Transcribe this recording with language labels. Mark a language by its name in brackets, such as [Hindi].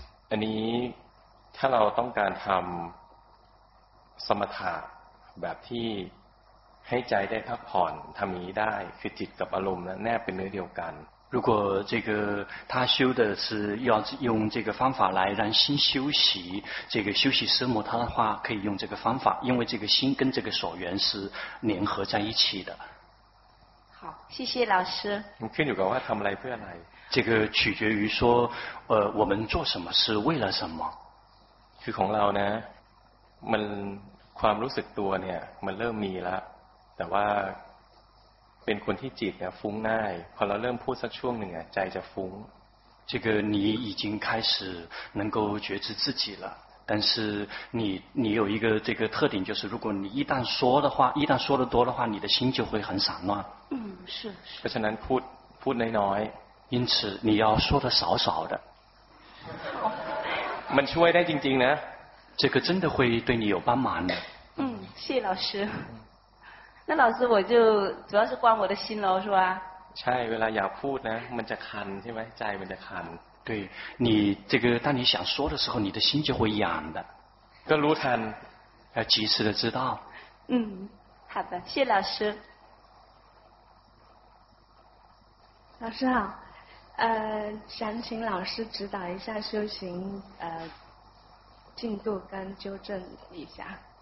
[Thai] อันนี้ถ้าเราต้องการทำสมถะแบบที่ให้ใจได้พักผ่อนทำนี้ได้คือจิตกับอารมณ์นะแนบเป็นเนื้อเดียวกัน [Chinese] 如果这个他修的是要用这个方法来让心休息，这个休息奢摩他的话可以用这个方法，因为这个心跟这个所缘是联合在一起的。好，谢谢老师。 [Thai] ขึ้นอยู่กับว่าทำอะไรเพื่ออะไร [Chinese] 这个取决于说，我们做什么是为了什么？ [Thai] คือของเรานะมันความรู้สึกตัวเนี่ยมันเริ่มมีแล้วแต่ว่าเป็นคนที่จิตเนี่ยฟุ้งง่ายพอเราเริ่มพูดสักช่วงหนึ่งอ่ะใจจะฟุ้ง [Chinese] 这个你已经开始能够觉知自己了，但是你有一个这个特点，就是如果你一旦说的话，一旦说的多的话，你的心就会很散乱。嗯，是。 [Thai] เพราะฉะนั้นพูดน้อย [Chinese] 因此你要说的少少的。 [Thai] มันช่วยได้จริงๆนะ [Chinese] 这个真的会对你有帮忙的。嗯，谢谢老师。那老师，我就主要是关我的心喽，是吧？ [Thai] ใช่เวลาอยากพูดนะมันจะคันใช่ไหมใจมันจะคัน [Chinese] 对你这个当你想说的时候，你的心就会痒的。 [Thai] ก็รู้ทัน [Chinese] 要及时的知道。嗯，好的，谢老师。老师好，想请老师指导一下修行，进度跟纠正一下。